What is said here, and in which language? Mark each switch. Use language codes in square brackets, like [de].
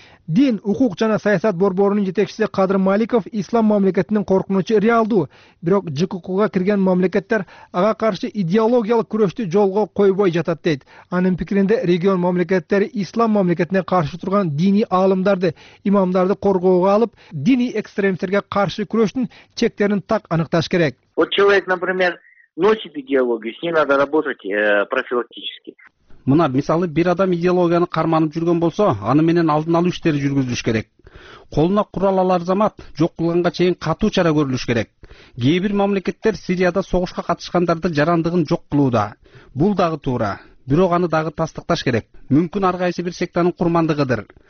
[ky] Дин, укук жана саясат борборунун жетекчиси Кадыр Маликов ислам мамлекетинин коркунучу реалдуу, бирок ЖКК'га кирген мамлекеттер ага каршы идеологиялык күрөштү жолго койбой жатат дейт. Анын пикиринде регион мамлекеттери ислам мамлекетине каршы турган диний аалымдарды, имамдарды коргоого алып, диний экстремисттерге каршы күрөштүн чектерин так аныкташ керек. [ru] Вот человек, например, носит идеологию, с ней надо работать профилактически. [ky] Мына мисалы бир адам идеологияны карманып жүргөн болсо, аны менен алдын алуу иштери жүргүзүлүш керек. Колуна курал алар замат, жок кылганга чейин катуу чара көрүлүш керек. Кээ бир мамлекеттер Сирияда согушка катышкандарды жарандыгын жок кылууда. Бул дагы туура, бирок аны дагы тастыкташ керек. Мүмкүн ар кайсы бир сектанын курмандыгыдыр.